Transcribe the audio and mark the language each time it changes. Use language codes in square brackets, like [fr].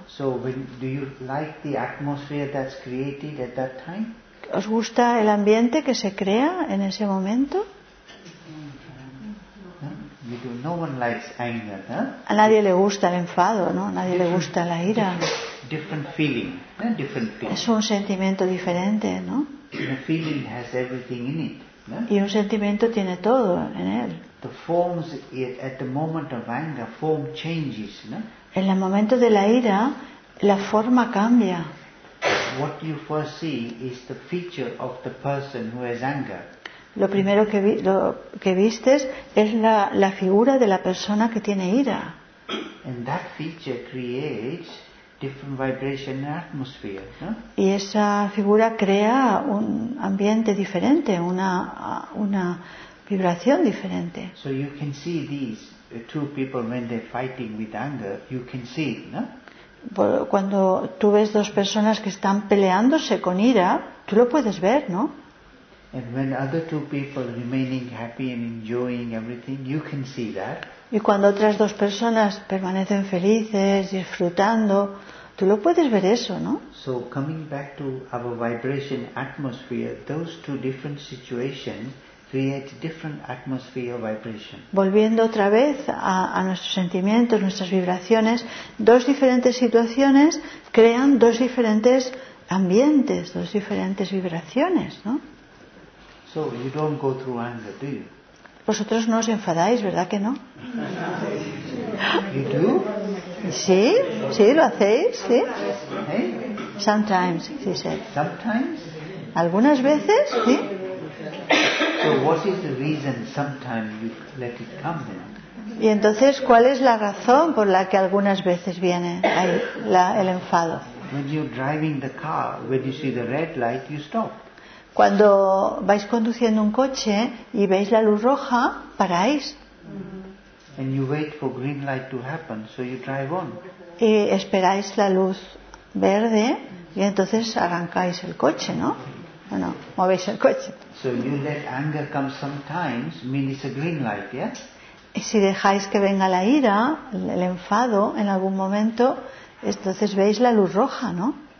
[en] So when, do you like the atmosphere that's created at that time? [es] ¿Os gusta el ambiente que se crea en ese momento? [en] No one likes anger, huh? [es] A nadie le gusta el enfado, ¿no? A nadie le gusta la ira. [en] Different feeling, different feeling. [es] Es un sentimiento diferente, ¿no? [en] A feeling has everything in it, huh? [es] Y un sentimiento tiene todo en él. [en] The forms at the moment of anger, form changes, ¿no? [es] En el momento de la ira, la forma cambia. [en] What you first see is the feature of the person who has anger. [es] Lo primero que vistes es la figura de la persona que tiene ira. [en] And that feature creates different vibration and atmosphere, no? [es] Y esa figura crea un ambiente diferente, una vibración diferente. [en] So you can see these two people when they're fighting with anger, you can see, no? [es] Cuando tú ves dos personas que están peleándose con ira, tú lo puedes ver, ¿no? [en] And when other two people remaining happy and enjoying everything, you can see that. [es] Y cuando otras dos personas permanecen felices, disfrutando, tú lo puedes ver eso, ¿no? [en] So coming back to our vibration atmosphere, those two different situations create different atmosphere vibration. [es] Volviendo otra vez a nuestros sentimientos, nuestras vibraciones, dos diferentes situaciones crean dos diferentes ambientes, dos diferentes vibraciones, ¿no? [en] So you don't go through anger, do you? [es] Vosotros no os enfadáis, ¿verdad que no? [en] You do? [es] Sí, sí, lo hacéis, sí. [en] Sometimes, he said. Sometimes? [es] Algunas veces, sí. [en] So what is the reason sometimes you let it come then? [es] Y entonces, ¿cuál es la razón por la que algunas veces viene ahí el enfado? [en] When you're driving the car, when you see the red light, you stop. [es] Cuando vais conduciendo un coche y veis la luz roja, paráis. [en] And you wait for green light to happen, so you drive on. [es] Y esperáis la luz verde y entonces arrancáis el coche, ¿no? Bueno, movéis el coche. [en] So you let anger come sometimes, means it's a green light, yes? [es] Y si dejáis que venga la ira, el enfado, en algún momento, entonces veis la luz roja, ¿no?